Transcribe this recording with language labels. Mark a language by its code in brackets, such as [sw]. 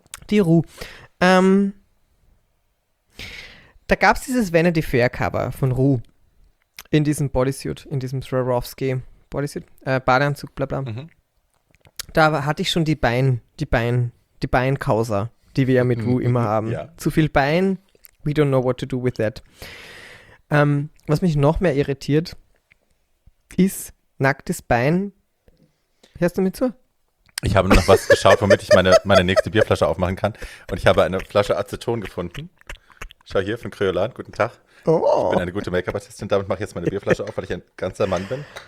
[de] Die Rue. Da gab es dieses Vanity Fair Cover von Ru in diesem Bodysuit, in diesem Swarovski Bodysuit, Badeanzug, bla bla. Mhm. Da hatte ich schon die Beinkauser, die wir ja mit Ru immer haben. Ja. Zu viel Bein, [en] we don't know what to do with that. [de] Was mich noch mehr irritiert, ist nacktes Bein. Hörst du mit zu? Ich habe nur noch was geschaut, womit ich meine nächste Bierflasche aufmachen kann. Und ich habe eine Flasche Aceton gefunden. Schau hier, von Kryolan, guten Tag. Oh. Ich bin eine gute Make-up-Artistin, damit mache ich jetzt meine Bierflasche auf, weil ich ein ganzer Mann bin.